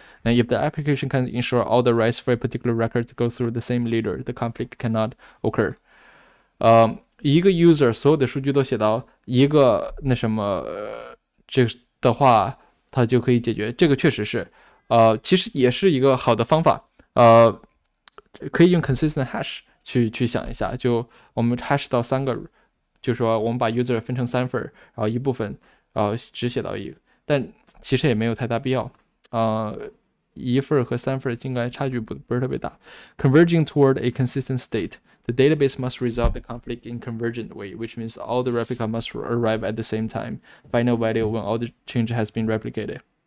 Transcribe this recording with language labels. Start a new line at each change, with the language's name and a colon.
English: 那 if the application can ensure all the writes for a particular record go through the same leader, the conflict cannot occur。
Chinese: 一个 user 所有的数据都写到一个那什么，这的话，它就可以解决。这个确实是，其实也是一个好的方法。可以用 consistent hash 去想一下，就我们 hash 到三个。就说我们把 user 分成三份，然后一部分，只写到一，但其实也没有太大必要，一份和三份应该差距不是特别大。
English: Converging toward a consistent state, the database must resolve the conflict in convergent way, which means all the replica must arrive at the same time, final value when all the change has been replicated。